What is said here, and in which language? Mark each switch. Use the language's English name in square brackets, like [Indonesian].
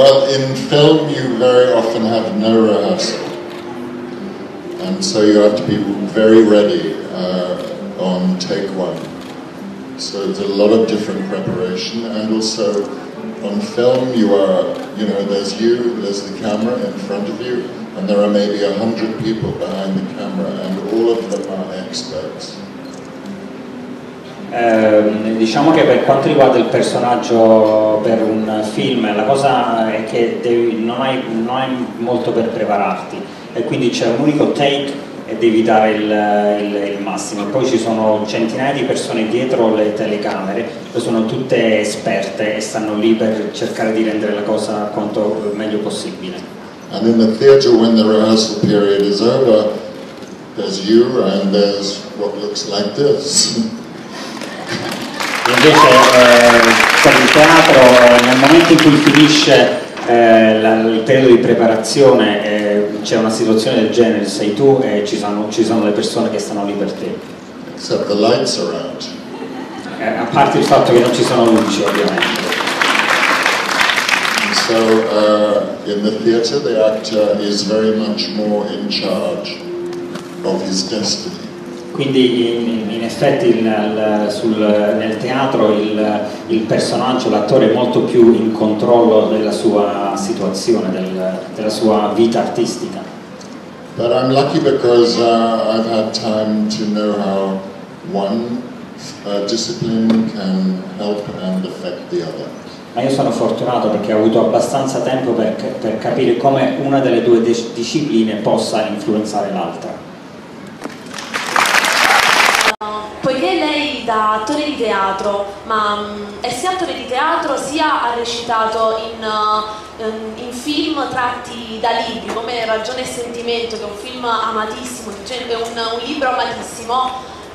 [English] In film you very often have no rehearsal and so you have to be very ready on take one, so there's a lot of different preparation. And also on film you are, you know, there's you, there's the camera in front of you and there are maybe 100 people behind the camera and all of them are experts. [Italian] Diciamo che per quanto riguarda il personaggio per un film la cosa è che devi, non hai molto per prepararti e quindi c'è un unico take e devi dare il massimo. Poi ci sono centinaia di persone dietro le telecamere che sono tutte esperte e stanno lì per cercare di rendere la cosa quanto meglio possibile. [English] And in the theater, when the rehearsal period is over, there's you and there's what looks like this. [Italian] Invece, per il teatro, nel momento in cui finisce il periodo di preparazione, c'è una situazione del genere, sei tu e ci sono le persone che stanno lì per te. [English] It's except the lights are out. [Italian] A parte il fatto che non ci sono luci, ovviamente. [English] So in the theater, the actor is very much more in charge of his destiny. [Italian] Quindi in effetti nel teatro il personaggio, l'attore, è molto più in controllo della sua situazione, della sua vita artistica. [English] But I'm lucky because I've had time to know how one discipline can help and affect the other. [Italian] Ma io sono fortunato perché ho avuto abbastanza tempo per capire come una delle due discipline possa influenzare l'altra. Poiché lei da attore di teatro, ma è sia attore di teatro sia ha recitato in film tratti da libri, come Ragione e Sentimento, che è un film amatissimo, cioè un libro amatissimo,